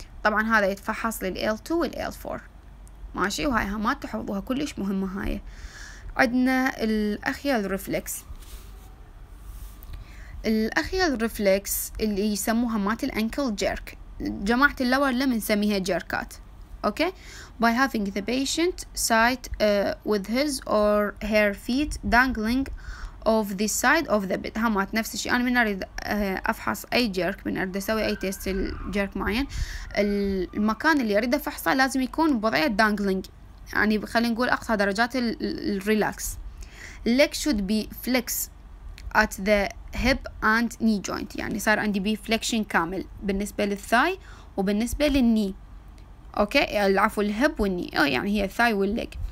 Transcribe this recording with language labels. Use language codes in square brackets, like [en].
[ar] طبعا هذا يتفحص للال 2 والال 4 ماشي. وهاي همات تحفظوها كلش مهمة. هاي عندنا الاخيال ريفلكس. الاخيال ريفلكس اللي يسموها مات الانكل جيرك جماعة اللور لما نسميها جيركات. [en] Okay, by having the patient sit with his or her feet dangling off the side of the bed. [ar] همات نفس الشيء. أنا من أريد أفحص أي جيرك من أريد أسوي أي تيست الجيرك معين المكان اللي أريد أفحصه لازم يكون بوضعية dangling يعني خلينا نقول أقصى درجات الريلاكس. [en] Leg should be flexed at the hip and knee joint. [ar] يعني صار عندي بي flexion كامل بالنسبة للثاي وبالنسبة للني. اوكي العفو الهب والني او يعني هي الثاي والليج.